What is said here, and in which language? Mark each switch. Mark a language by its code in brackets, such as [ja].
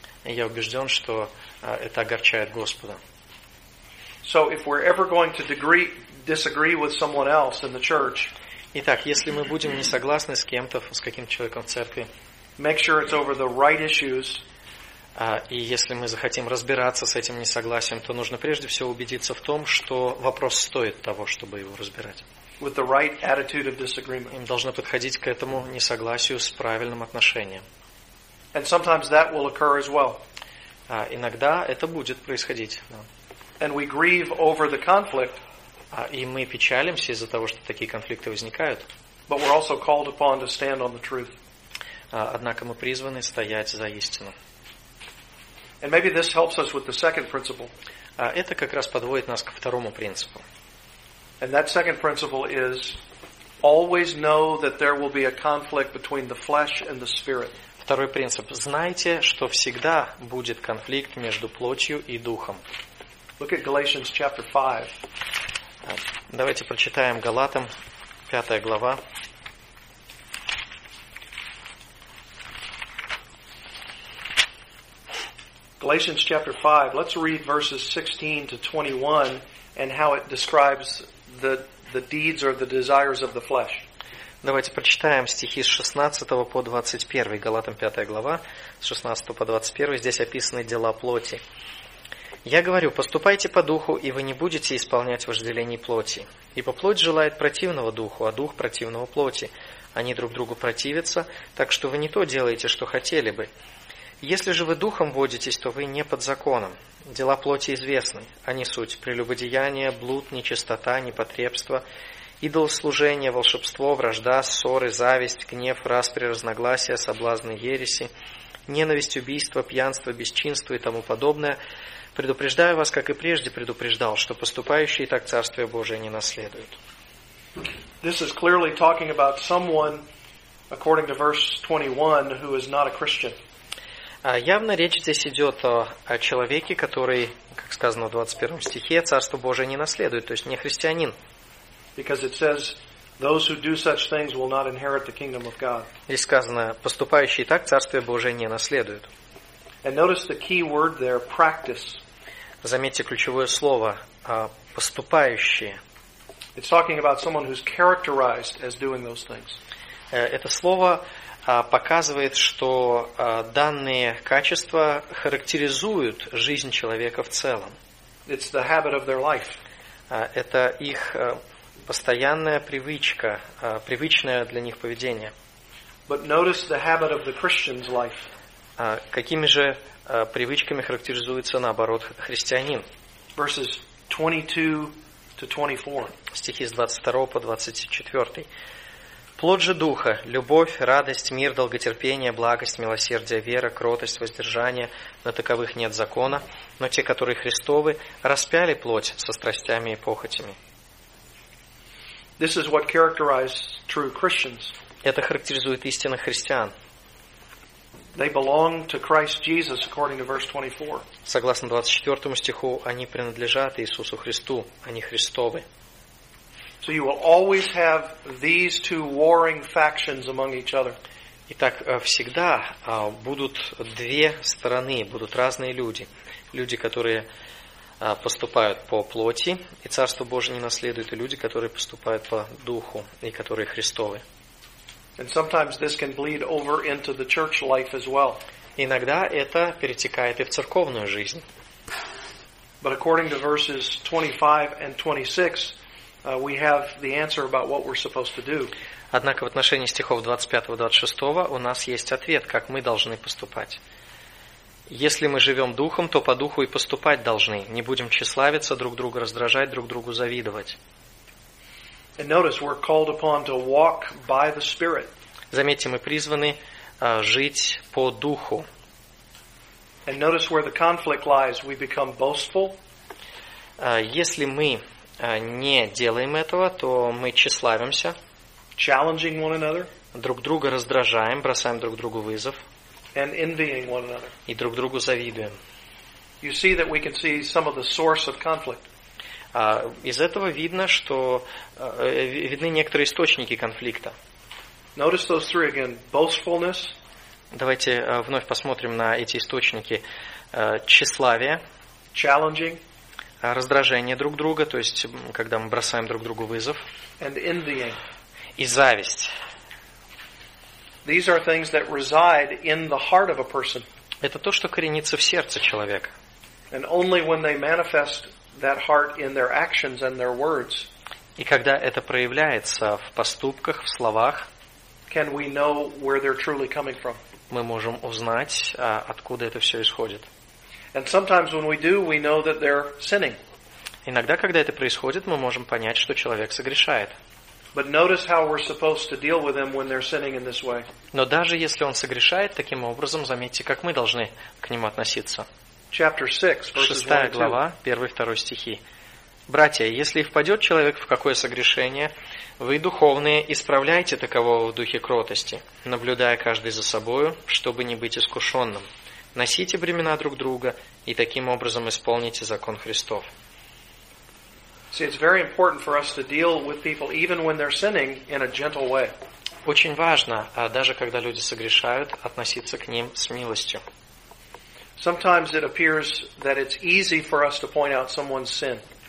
[ru] И я убежден, что это огорчает Господа. [en] So if we're ever going to disagree with someone else in the church, [ru] итак, если мы будем не согласны с кем-то, с каким-то человеком в церкви, [en] make sure it's over the right issues. [ru] И если мы захотим разбираться с этим несогласием, то нужно прежде всего убедиться в том, что вопрос стоит того, чтобы его разбирать. [en] With the right attitude of disagreement. [ru] Им должно подходить к этому несогласию с правильным отношением. [en] And sometimes that will occur as well. [ru] Иногда это будет происходить. Да. [en] And we grieve over the conflict. [ru] И мы печалимся из-за того, что такие конфликты возникают. [en] But we're also called upon to stand on the truth. [ru] Однако мы призваны стоять за истину. [en] And maybe this helps us with the second principle. [ru] Это как раз подводит нас ко второму принципу. [en] And that second principle is always know that there will be a conflict between the flesh and the spirit. [ru] Второй принцип: знайте, что всегда будет конфликт между плотью и духом. [en] Look at Galatians chapter 5. [ru] Давайте прочитаем Галатам, 5 глава. [en] Galatians chapter 5. Let's read verses 16 to 21 and how it describes the deeds or the desires of the flesh. [ru] Давайте прочитаем стихи с 16 по 21. Галатам 5 глава, с 16 по 21. Здесь описаны дела плоти. «Я говорю, поступайте по духу, и вы не будете исполнять вожделений плоти. Ибо плоть желает противного духу, а дух противного плоти. Они друг другу противятся, так что вы не то делаете, что хотели бы. Если же вы духом водитесь, то вы не под законом. Дела плоти известны. Они суть – прелюбодеяние, блуд, нечистота, непотребство, идолослужение, волшебство, вражда, ссоры, зависть, гнев, распри, разногласия, соблазны, ереси, ненависть, убийство, пьянство, бесчинство и тому подобное. Предупреждаю вас, как и прежде предупреждал, что поступающие так Царствие Божие не наследуют». [en] This is clearly talking about someone, according to verse 21, who is not a Christian. [ru] Явно речь здесь идет о человеке, который, как сказано в 21 стихе, Царство Божие не наследует, то есть не христианин. [en] Because it says, those who do such things will not inherit the kingdom of God. [ru] Здесь сказано, поступающие так Царствие Божие не наследуют. [en] And notice the key word there, practice. [ru] Заметьте ключевое слово, поступающие. [en] It's talking about someone who's characterized as doing those things. [ru] Это слово показывает, что данные качества характеризуют жизнь человека в целом. [en] It's the habit of their life. [ru] Это их постоянная привычка, привычное для них поведение. [en] But notice the habit of the Christian's life. [ru] Какими же привычками характеризуется, наоборот, христианин? [en] Verses 22 to 24. [ru] Стихи с 22 по 24. Плод же Духа – любовь, радость, мир, долготерпение, благость, милосердие, вера, кротость, воздержание. На таковых нет закона, но те, которые Христовы, распяли плоть со страстями и похотями. [en] This is what characterizes true Christians. [ru] Это характеризует истинных христиан. [en] They belong to Christ Jesus, according to verse 24. [ru] Согласно 24 стиху, они принадлежат Иисусу Христу, они Христовы. [en] So you will always have these two warring factions among each other. [ru] Итак, всегда будут две стороны, будут разные люди. Люди, которые поступают по плоти, и Царство Божие не наследуют, и люди, которые поступают по Духу, и которые Христовы. [en] And sometimes this can bleed over into the church life as well. [ru] Иногда это перетекает и в церковную жизнь. [en] But according to verses 25 and 26, we have the answer about what we're supposed to do. [ru] Однако в отношении стихов 25-26 у нас есть ответ, как мы должны поступать. Если мы живем Духом, то по Духу и поступать должны. Не будем тщеславиться, друг друга раздражать, друг другу завидовать. [en] And notice, we're called upon to walk by the Spirit. [ru] Заметьте, мы призваны жить по Духу. [en] And notice where the conflict lies. We become boastful. [ru] Если мы не делаем этого, то мы тщеславимся. [en] Challenging one another. [ru] Друг друга раздражаем, бросаем друг другу вызов. [en] And envying one another. [ru] И друг другу завидуем. [en] You see that we can see some of the source of conflict. [ru] Из этого видно, что видны некоторые источники конфликта. [en] Notice those three again. Boastfulness. [ru] Давайте вновь посмотрим на эти источники. Тщеславие. [en] Challenging. [ru] Раздражение друг друга, то есть когда мы бросаем друг другу вызов. [en] And envying. [ru] И зависть. [en] These are things that reside in the heart of a person. [ru] Это то, что коренится в сердце человека. [en] And only when they manifest that heart in their actions and their words. [ru] И когда это проявляется в поступках, в словах, [en] can we know where they're truly coming from? [ru] Мы можем узнать, откуда это все исходит. [en] And sometimes when we do, we know that they're sinning. [ru] Иногда, когда это происходит, мы можем понять, что человек согрешает. [en] But notice how we're supposed to deal with them when they're sinning in this way. [ru] Но даже если он согрешает таким образом, заметьте, как мы должны к нему относиться. [en] Chapter 6, verses 1 and 2. 6 [ru] глава, 1-2 стихи. Братья, если впадет человек в какое согрешение, вы, духовные, исправляйте такового в духе кротости, наблюдая каждый за собою, чтобы не быть искушенным. Носите бремена друг друга и таким образом исполните закон Христов. [en] See, it's very important for us to deal with people, even when they're sinning, in a gentle way. [ru] Очень важно, даже когда люди согрешают, относиться к ним с милостью. [en] Sometimes it appears that it's easy for us to point out someone's sin.